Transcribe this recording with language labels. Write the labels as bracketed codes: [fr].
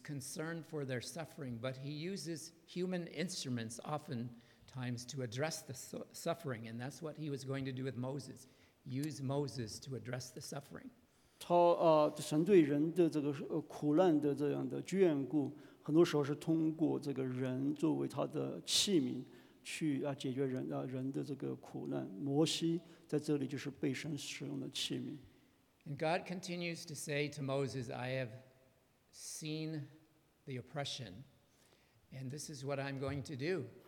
[en] concerned for their suffering, but he uses human instruments oftentimes to address the suffering, and that's what he was going to do with Moses. Use Moses to address the suffering. [zh] 神对人的这个苦难的这样的眷顾，很多时候是通过这个人作为他的器皿。去解决人的苦难。摩西在这里就是被神使用的器皿。 [en] And God continues to say to Moses, I have seen the oppression, and this is what I'm going to do.